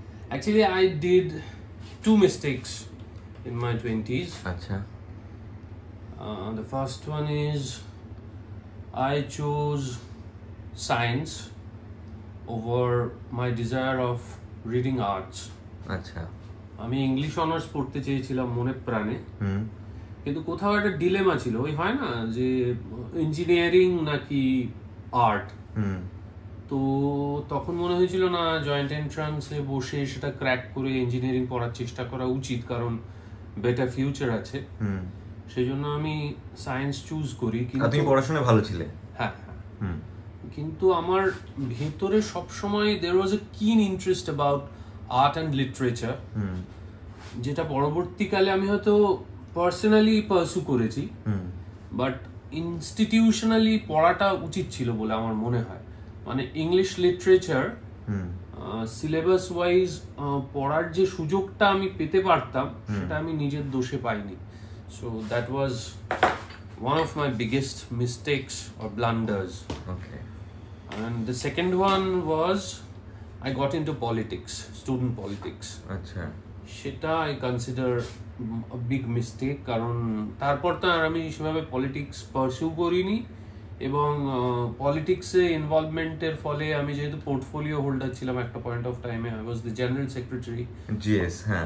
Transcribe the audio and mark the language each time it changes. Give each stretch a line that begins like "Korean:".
English: Actually, I did two mistakes in my 20s. Acha. The first one is I chose science over my desire of reading arts. Acha.
Bangla: আমি English honours পড়তে চেয়েছিলাম মনে প্রাণে, কিন্তু কোথাও একটা dilemma ছিল, ওই হয় না যে ইঞ্জিনিয়ারিং নাকি আর্ট, তো তখন মনে হয়েছিল না জয়েন্ট এন্ট্রান্সে বসে সেটা ক্র্যাক করে ইঞ্জিনিয়ারিং পড়ার চেষ্টা করা উচিত, কারণ বেটার ফিউচার আছে, সেই জন্য আমি সায়েন্স চুজ করি। কিন্তু পড়াশোনায় ভালো ছিলে? হ্যাঁ, কিন্তু আমার ভেতরে সবসময়
English: there was a keen interest about art and literature,
Bangla: যেটা পরবর্তীকালে আমি হয়তো পার্সোনালি পার্সু করেছি, বাট ইনস্টিটিউশনালি পড়াটা উচিত ছিল বলে আমার মনে হয়। মানে ইংলিশ লিটারেচার সিলেবাস ওয়াইজ পড়ার যে সুযোগটা আমি পেতে পারতাম সেটা আমি নিজের দোষে পাইনি।
English: So that was one of my biggest mistakes or blunders.
Bangla: And the second one was
English: I got into politics, student politics. Achha. Sheta I consider a big mistake,
Bangla: কারণ তারপর তো আর আমি সেভাবে পলিটিক্স পার্সু করিনি, এবং পলিটিক্সে ইনভলভমেন্টের ফলে আমি যেহেতু পোর্টফোলিও হোল্ডার ছিলাম একটা পয়েন্ট অফ টাইমে,
English: I was the general secretary
Bangla: GS